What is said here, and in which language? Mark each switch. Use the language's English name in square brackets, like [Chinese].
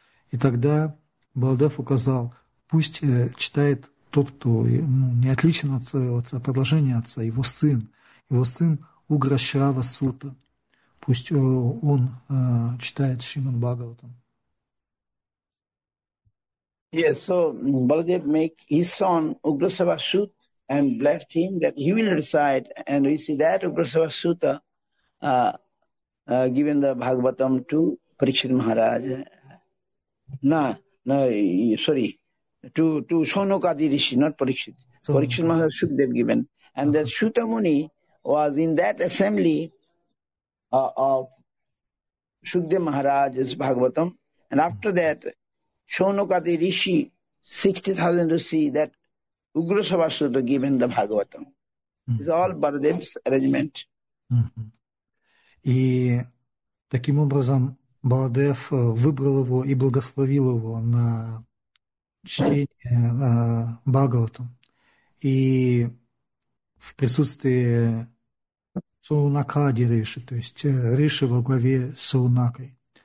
[Russian] И тогда Баладев указал, пусть читает тот, кто не отличен от отца, продолжение отца, его сын. Его сын Уграшрава Сута. Пусть он читает Шриман Бхагаватам. [English] Yes, so Baladev make his son Ugrasava Suta and blessed him that he will recite, and we see that Ugrasava Suta given the Bhagavatam to Parikshit Maharaj. To Shonokadi Rishi, not Parikshit. So, Parikshit Maharaj Sukdev given. And that Suta Muni was in that assembly of Shukdev Maharaj's Bhagavatam. And after that, Shonukadi Rishi, 60,000 Rishi, that Ugra Savasudha given the Bhagavatam. It's all Baladev's arrangement. [Russian] И таким образом Баладев выбрал его и благословил его на чтение Бхагавата. И в присутствии Саунакади Риши, то есть Риши во главе с Саунакой.